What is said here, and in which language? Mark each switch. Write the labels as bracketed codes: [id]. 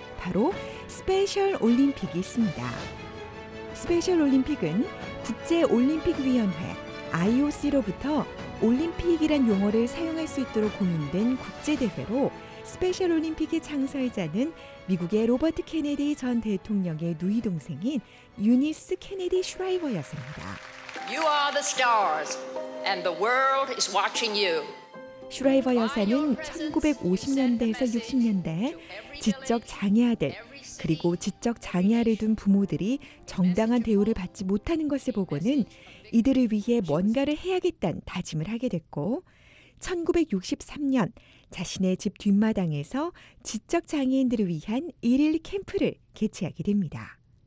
[ko] 바로 스페셜 올림픽이 있습니다. 스페셜 올림픽은 국제올림픽위원회 IOC로부터 올림픽이란 용어를 사용할 수 있도록 공인된 국제대회로 스페셜 올림픽의 창설자는 미국의 로버트 케네디 전 대통령의 누이 동생인 유니스 케네디 슈라이버였습니다. [en] You are the stars and the world is watching you. [ko] 슈라이버 여사는 1950년대에서 60년대에 지적 장애아들 그리고 지적 장애아를 둔 부모들이 정당한 대우를 받지 못하는 것을 보고는 이들을 위해 뭔가를 해야겠다는 다짐을 하게 됐고 1963년 자신의 집 뒷마당에서 지적 장애인들을 위한 일일 캠프를 개최하게 됩니다.